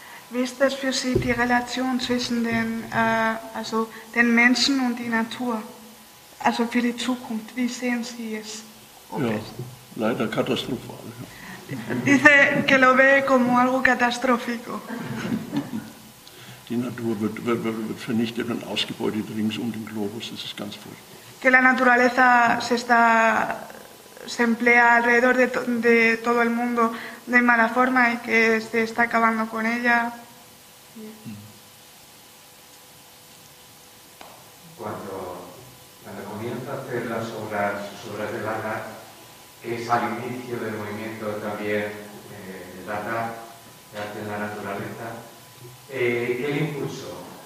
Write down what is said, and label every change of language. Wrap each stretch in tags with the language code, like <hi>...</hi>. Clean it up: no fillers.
<de>Wie ist das für Sie, die Relation zwischen den Menschen und die Natur, also für die Zukunft, wie sehen Sie es? Ja, leider katastrophal.</de> <es>Dice que lo ve como algo catastrófico.</es> <de>Die Natur wird vernichtet und ausgebeutet rings um den Globus, das ist ganz furchtbar.</de> <es>Que la naturaleza se emplea alrededor de todo el mundo de mala forma y que se está acabando con ella. Cuando comienza a hacer las obras de Dada, que es al inicio del movimiento también de Dada, de arte en la naturaleza, ¿qué le impulsó?</es>